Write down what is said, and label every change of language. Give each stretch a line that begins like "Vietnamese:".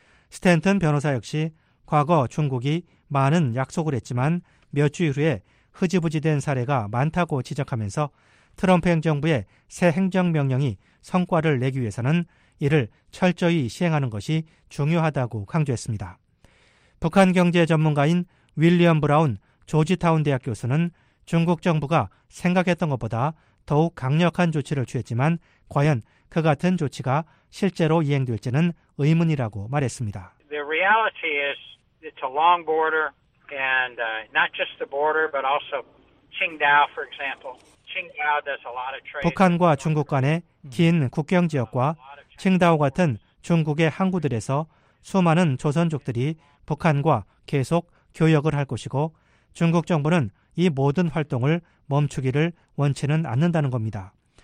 Korean: 스탠튼 변호사 역시 과거 중국이 많은 약속을 했지만 몇 주 후에 흐지부지된 사례가 많다고 지적하면서 트럼프 행정부의 새 행정명령이 성과를 내기 위해서는 이를 철저히 시행하는 것이 중요하다고 강조했습니다. 북한 경제 전문가인 윌리엄 브라운 조지타운 대학 교수는 중국 정부가 생각했던 것보다 더욱 강력한 조치를 취했지만 과연 그 같은 조치가 실제로 이행될지는 의문이라고 말했습니다.
English: The reality is it's a long border and not just the border but also Qingdao for example. Qingdao does a lot of trade.
Korean: 북한과 중국 간의 긴 국경 지역과 칭다오 같은 중국의 항구들에서 수많은 조선족들이 북한과 계속 교역을 할 것이고 중국 정부는 이 모든 활동을 멈추기를 원치는 않는다는 겁니다.